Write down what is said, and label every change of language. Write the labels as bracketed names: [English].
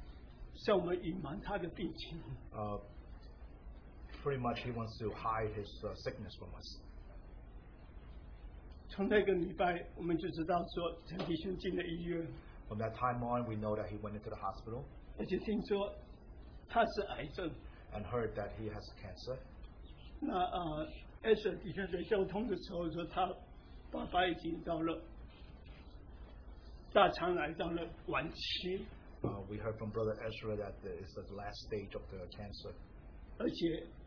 [Chinese] 他其实向我们隐瞒他的病情。 [English] Pretty much he wants to hide his sickness from us. [Chinese] 从那个礼拜，我们就知道说陈弟兄进了医院。 [English] From that time on, we know that he went into the hospital. [Chinese] 而且听说他是癌症。 [English] And heard that he has cancer. [Chinese] 那 Ezra弟兄在交通的时候说，他爸爸已经到了大肠癌到了晚期。We [English] heard from Brother Ezra that it's the last stage of the cancer.